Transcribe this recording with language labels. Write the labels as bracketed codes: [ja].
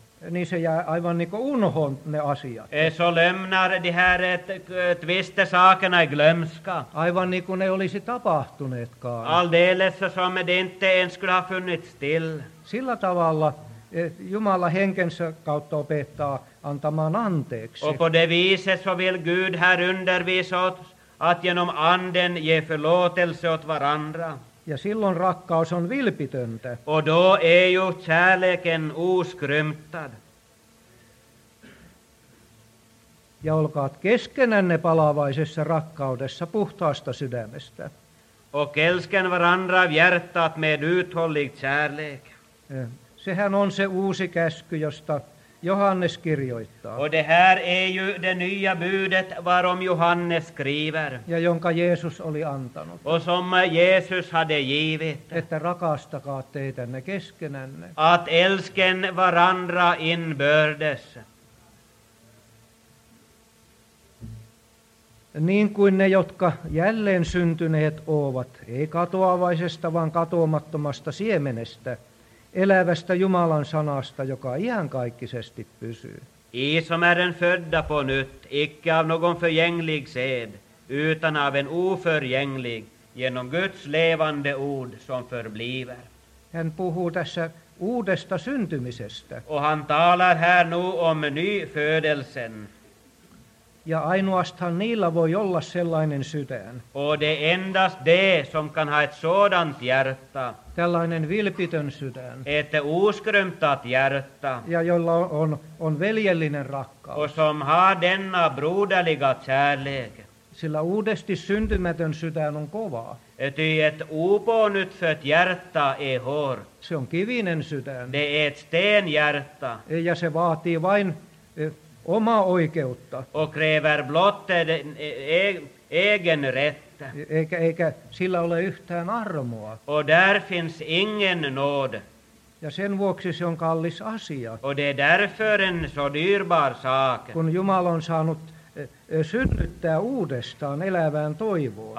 [fi] Niin se jää aivan niin kuin unohon ne asiat. [sv] Så lämnar de här tvistesakerna i glömska. [fi] Aivan niin kuin ne olisi tapahtuneetkaan. [sv] Alldeles som det inte ens skulle ha funnits till. [fi] Sillä tavalla Jumala henkensä kautta opettaa antamaan anteeksi. [sv] Och på det viset så vill Gud här undervisa oss. Att genom anden ge förlåtelse åt varandra. [fi] Ja silloin rakkaus on vilpitöntä. [sv] Och då är ju kärleken oskrymptad. [fi] Ja olkaat keskenänne palavaisessa rakkaudessa puhtaasta sydämestä. [sv] och älskar varandra av hjärtat med uthållig kärlek. [fi] Sehän on se uusi käsky, josta Johannes kirjoittaa. [sv] Och det här är ju det nya budet varom Johannes skriver. [fi] Ja jonka Jeesus oli antanut. [sv] Och som Jeesus hade givit. [fi] Että rakastakaa teitänne keskenänne. [sv] Att älsken varandra inbördes. [fi] Niin kuin ne, jotka jälleen syntyneet ovat, ei katoavaisesta, vaan katoamattomasta siemenestä, elävästä Jumalan sanasta, joka iankaikkisesti pysyy. [sv] I som är den födda på nytt, icke av någon förgänglig sed, utan av en oförgänglig, genom Guds levande ord som förbliver. [fi] Hän puhuu tässä uudesta syntymisestä. [sv] Och han talar här nu om nyfödelsen. [fi] Ja ainoastaan niillä voi olla sellainen sydän. [sv] Och det endast det som kan ha ett sådant hjärta. [fi] Tällainen vilpitön sydän. [sv] Ett oskrymtat hjärta. [fi] Ja jolla on veljellinen rakkaus. [sv] Och som har denna broderliga kärlek. [fi] Sillä uudesti syntymätön sydän on kovaa. [sv] Ty ett opånytt fött hjärta är hårt. [fi] Se on kivinen sydän. [sv] Det är ett stenhjärta. [fi] Ja se vaatii vain oma oikeutta. [sv] Och kräver blott egen rätt. [fi] Eikä sillä ole yhtään armoa. [sv] Och där finns ingen nåd. [fi] Ja sen vuoksi se on kallis asia. [sv] Och det är därför en så dyrbar sak. [fi] Kun Jumala on saanut synnyttää uudestaan elävään toivoon.